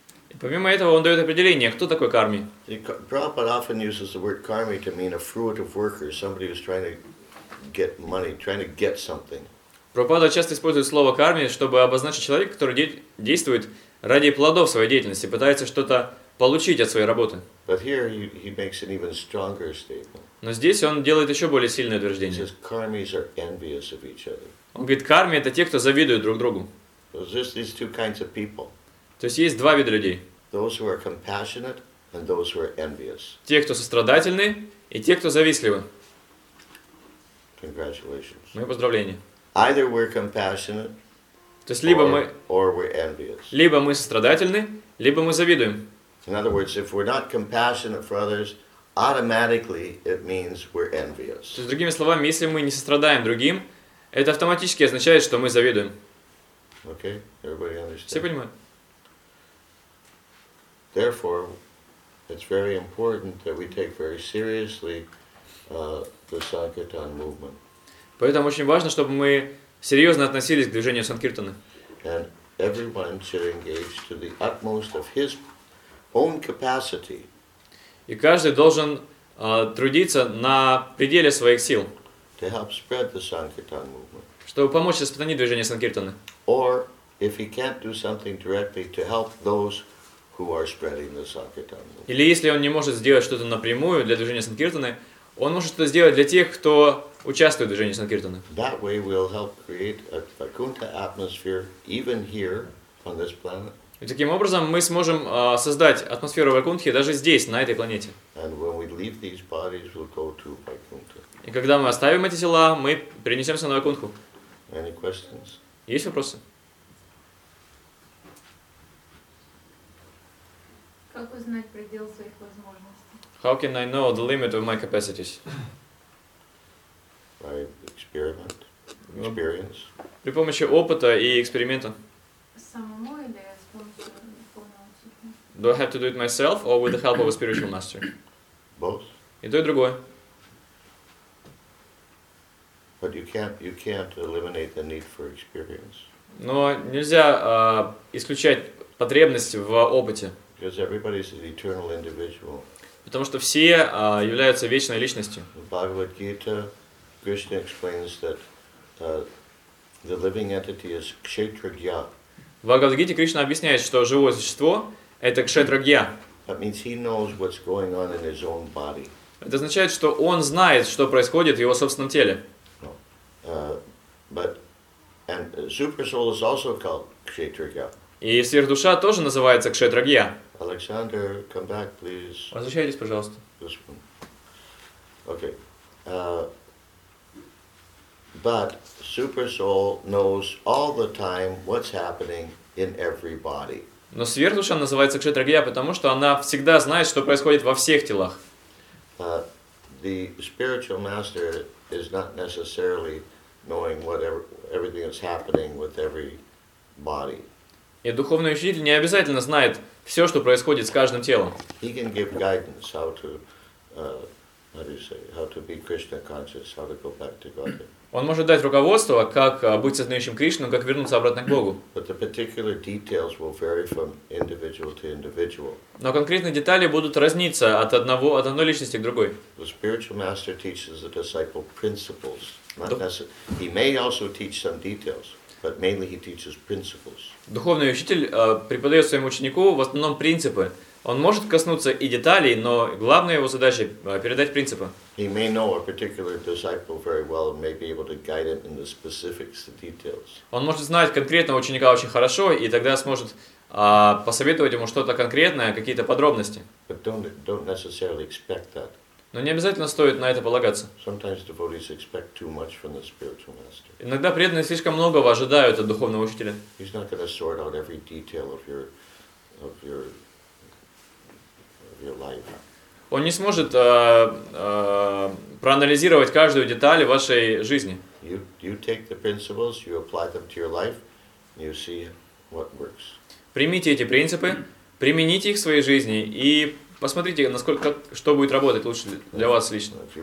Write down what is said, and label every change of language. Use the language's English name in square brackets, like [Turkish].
[Russian] И помимо этого, он дает определение, кто такой карми. [English] Prabhupada often uses the word karmi to mean a fruitive worker, somebody who's trying to get money, trying to get something. [Russian] Прабхупада часто использует слово карми, чтобы обозначить человека, который действует ради плодов своей деятельности, пытается что-то получить от своей работы. [English] But here he makes an even stronger statement. [Russian] Но здесь он делает еще более сильное утверждение. [English] Says, karmis are envious of each other. [Russian] Он говорит, карми – это те, кто завидуют друг другу. [English] Just these two kinds of people. [Russian] То есть есть два вида людей. [English] Those who are compassionate and those who are envious. [Russian] Те, кто сострадательны, и те, кто завистливы. [English] Congratulations. [Russian] Мои поздравления. [English] Either we're compassionate, [Russian] то есть либо мы, [English] or we're envious. [Russian] Либо мы сострадательны, либо мы завидуем. [English] In other words, if we're not compassionate for others, automatically it means we're envious. [Russian] То есть другими словами, если мы не сострадаем другим, это автоматически означает, что мы завидуем. [English] Okay, everybody understand? [Russian] Все понимают? [English] Therefore, it's very important that we take very seriously the Sankirtan movement. [Russian] Поэтому очень важно, чтобы мы серьезно относились к движению Санкиртаны. [English] And everyone should engage to the utmost of his own capacity. [Russian] И каждый должен трудиться на пределе своих сил. [English] To help spread the Sankirtan movement. [Russian] Чтобы помочь распространить движение Санкиртаны. [English] Or if he can't do something directly to help those who are spreading the Sankirtan movement. [Russian] Или если он не может сделать что-то напрямую для движения Санкиртаны, он может что-то сделать для тех, кто участвует в движении Санкиртаны. [English] That way we'll help create a Vaikuntha atmosphere even here on this planet. [Russian] И таким образом мы сможем создать атмосферу Вайкунтхи даже здесь, на этой планете. [English] And when we leave these bodies, we'll go to Vaikuntha. [Russian] И когда мы оставим эти тела, мы перенесемся на Вайкунтху. [English] Any questions? [Russian] Есть вопросы? Как узнать предел своих возможностей? [English] How can I know the limit of my capacities? By experiment, experience. [Russian] При помощи опыта и эксперимента. Самому или с помощью? [English] Do I have to do it myself or with the help of a spiritual master? Both. [Russian] И то, и другое. [English] But you can't eliminate the need for experience. [Russian] Но нельзя исключать потребность в опыте. [English] Because everybody is an eternal individual. [Russian] Потому что все являются вечной личностью. [English] Bhagavad Gita. Krishna explains that the living entity is kshetragya. [Russian] В Бхагавад-гите Кришна объясняет, что живое существо это кшетрагья. [English] That means he knows what's going on in his own body. [Russian] Это означает, что он знает, что происходит в его собственном теле. [English] And supersoul is also called kshetragya. [Russian] И сверхдуша тоже называется кшетрагья. [English] Alexander, come back, please. [Russian] Возвращайтесь, пожалуйста. [English] This one. Okay. But Supersoul knows all the time what's happening in every body. [Russian] Но сверхдуша называется кшетрагья, потому что она всегда знает, что происходит во всех телах. [English] The spiritual master is not necessarily knowing everything that's happening with every body. [Russian] И духовный учитель не обязательно знает все, что происходит с каждым телом. [English] He can give guidance how to, how to be Krishna conscious, how to go back to Godhead. [Russian] Он может дать руководство, как быть сознающим Кришну, как вернуться обратно к Богу. [English] But the particular details will vary from individual to individual. [Russian] Но конкретные детали будут разниться от одной личности к другой. [English] The spiritual master teaches the disciple principles. He may also teach some details, but mainly he teaches principles. [Russian] Духовный учитель преподает своему ученику в основном принципы. Он может коснуться и деталей, но главная его задача – передать принципы. [English] He may know a particular disciple very well and may be able to guide him in the specifics, the details. [Russian] Он может знать конкретного ученика очень хорошо, и тогда сможет посоветовать ему что-то конкретное, какие-то подробности. [English] But don't necessarily expect that. [Russian] Но не обязательно стоит на это полагаться. [English] Sometimes devotees expect too much from the spiritual master. [Russian] Иногда преданные слишком многого ожидают от духовного учителя. [English] He's not going to sort out every detail of your, life. [Russian] Он не сможет проанализировать каждую деталь вашей жизни. [English] You take the principles, you apply them to your life, and you see what works. [Russian] Примите эти принципы, примените их в своей жизни и посмотрите, насколько, как, что будет работать лучше для вас лично.